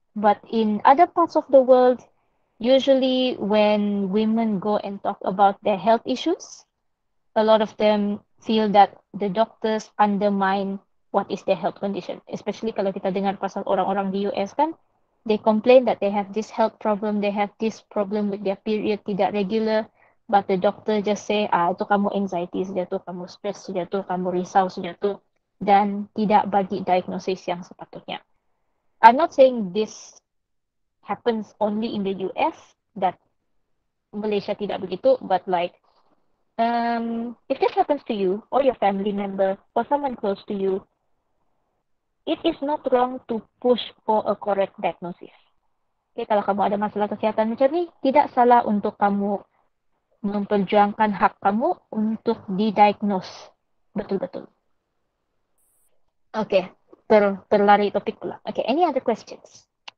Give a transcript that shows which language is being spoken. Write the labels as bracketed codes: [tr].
[en] But in other parts of the world, usually when women go and talk about their health issues, a lot of them feel that the doctors undermine what is their health condition. Especially [ms] kalau kita dengar pasal orang-orang di US kan, [en] they complain that they have this health problem, they have this problem with their period [ms] tidak regular. [en] But the doctor just say, [ms] ah, itu kamu anxiety saja tu, kamu stress saja tu, kamu risau saja tu, dan tidak bagi diagnosis yang sepatutnya. [en] I'm not saying this happens only in the US, that Malaysia [ms] tidak begitu, [en] but like, if this happens to you, or your family member, or someone close to you, it is not wrong to push for a correct diagnosis. [ms] Okay, kalau kamu ada masalah kesehatan macam ni, tidak salah untuk kamu memperjuangkan hak kamu untuk didiagnose betul-betul. Okay, terlari topik pula. Okay, [en] any other questions?